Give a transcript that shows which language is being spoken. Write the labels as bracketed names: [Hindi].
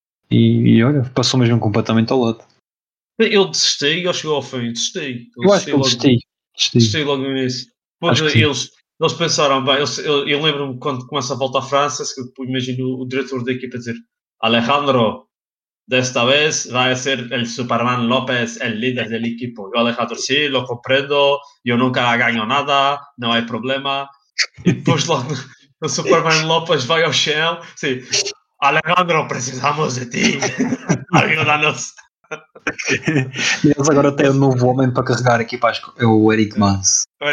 [Portuguese] E olha, passou mesmo completamente ao lado. Eu desisti, ou chegou ao fim, desisti. Eu acho que eu desisti logo no início. Pois eles pensaram, bem, eu lembro-me quando começa a volta à França, imagino o diretor da equipa dizer: [Spanish] Alejandro, desta vez va a ser el Superman López el líder del equipo. Yo, Alejandro, sí, lo comprendo, yo nunca gano nada, no hay problema. Y pues lo, el Superman López va al Shell, sí, Alejandro, precisamos de ti, ayúdanos. [Portuguese] Eles agora têm um novo homem para carregar a equipa, acho que é o Eric Mas.